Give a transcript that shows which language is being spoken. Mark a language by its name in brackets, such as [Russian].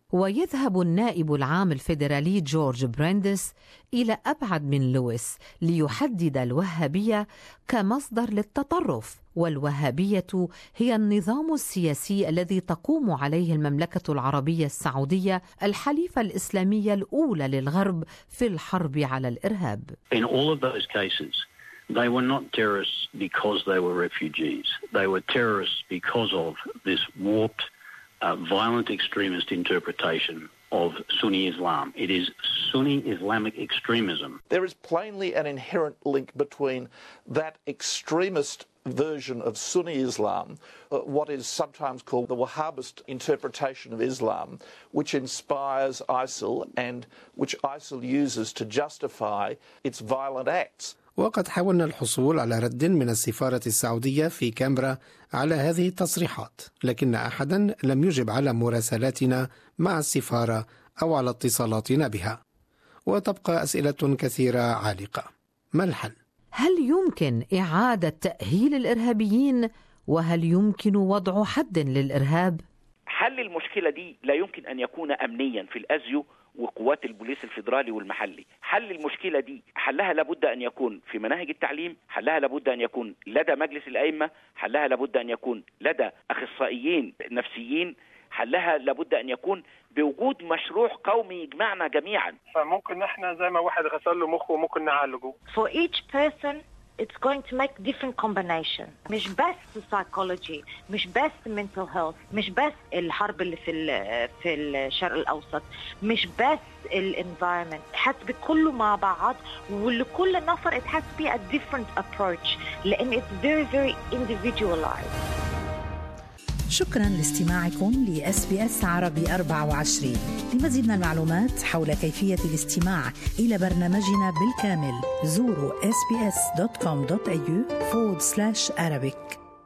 [Arabic] ويذهب النائب العام الفيدرالي جورج بريندس إلى أبعد من لويس ليحدد الوهابية كمصدر للتطرف، والوهابية هي النظام السياسي الذي تقوم عليه المملكة العربية السعودية الحليفة الإسلامية الأولى للغرب في الحرب على الإرهاب. [English] In all of those cases, they were not terrorists because they were refugees. They were terrorists because of this warped, violent extremist interpretation of Sunni Islam. It is Sunni Islamic extremism. There is plainly an inherent link between that extremist version of Sunni Islam, what is sometimes called the Wahhabist interpretation of Islam, which inspires ISIL and which ISIL uses to justify its violent acts. [Arabic] وقد حاولنا الحصول على رد من السفارة السعودية في كامبرا على هذه التصريحات، لكن أحدا لم يجب على مراسلاتنا مع السفارة أو على اتصالاتنا بها، وتبقى أسئلة كثيرة عالقة. ما الحل؟ هل يمكن إعادة تأهيل الإرهابيين؟ وهل يمكن وضع حد للإرهاب؟ حل المشكلة دي لا يمكن أن يكون أمنيا في الأزيو وقوات البوليس الفيدرالي والمحلي. حل المشكلة دي حلها لابد أن يكون في مناهج التعليم، حلها لابد أن يكون لدى مجلس الأئمة، حلها لابد أن يكون لدى أخصائيين نفسيين، حلها لابد أن يكون بوجود مشروع قومي يجمعنا جميعا. فممكن نحن زي ما واحد غسل له مخه ممكن نعالجه. [English] For each person it's going to make different combination. [Arabic] مش بس psychology، مش بس [English] mental health، [Arabic] مش بس الحرب اللي في الشرق الأوسط، مش بس الenvironment. حس بكله مع بعض، ولكل نفر [English] it has to be a different approach [Arabic] لأن [English] it's very very individualized. [Arabic] شكراً لاستماعكم لSBS عربي 24. لمزيد من المعلومات حول كيفية الاستماع إلى برنامجنا بالكامل، زوروا sbs.com.au/arabic.